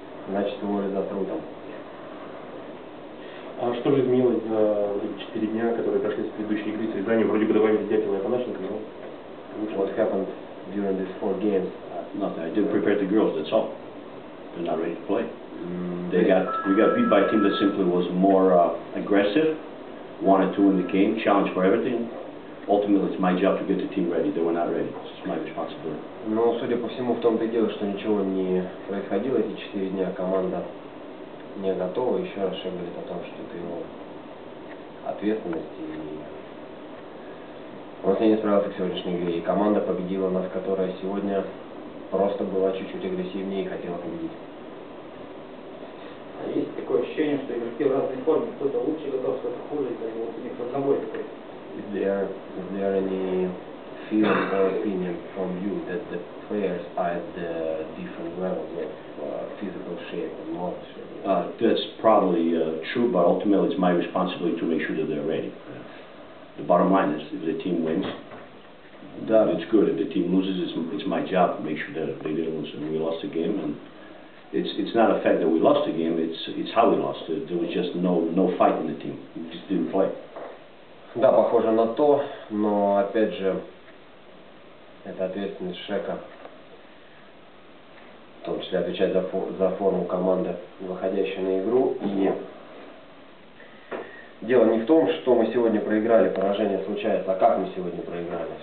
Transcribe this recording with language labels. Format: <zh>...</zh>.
<ru>Значит, уволили завтра утром. А что же изменилось за 4 дня, которые прошли с предыдущей игры, с Рязанью? Вроде бы добавили Дятела и Афанасенко, но...</ru> <en>What happened during these 4 games? Nothing. I didn't prepare the girls, that's all. They're not ready to play. We got beat by a team that simply was more aggressive, wanted to win the game, challenged for everything. Ultimately, it's my job to get the team ready. They were not ready. It's my responsibility.</en> <ru>Но, судя по всему, в том-то и дело, что ничего не происходило эти 4 дня. Команда не готова. Еще раз все говорит о том, что это его ответственность. И он с ней не справился к сегодняшней игре. И команда победила нас, которая сегодня просто была чуть-чуть агрессивнее и хотела победить. Есть такое ощущение, что игроки в разной форме. Кто-то лучше готов, кто-то хуже, это вот у них под собой такой.</ru> <en>Is there any feeling or opinion from you that the players are at the different levels of physical shape and knowledge? That's probably true, but ultimately it's my responsibility to make sure that they're ready. The bottom line is if the team wins, that it's good. If the team loses, it's my job to make sure that they didn't lose and we lost the game. And It's not a fact that we lost the game, it's how we lost. There was just no fight in the team. We just didn't play.</en> <ru>Да, похоже на то, но опять же, это ответственность Шека. В том числе отвечать за форму команды, выходящей на игру. И дело не в том, что мы сегодня проиграли, поражение случается, а как мы сегодня проиграли.</ru>